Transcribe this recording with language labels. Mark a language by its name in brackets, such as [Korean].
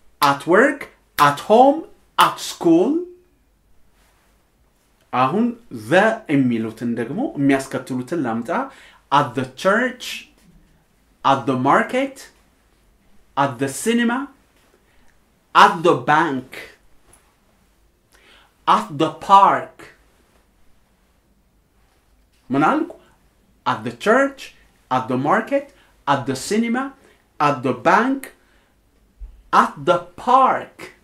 [English] At work, at home, at school. [Amharic] አሁን the የሚሉትን ደግሞ የሚያስከትሉትን ላምጣ. [English] At the church, at the market, at the cinema, at the bank, at the park. [Amharic] ምን አልኩ? [English] At the church, at the market, at the cinema, at the bank, at the park.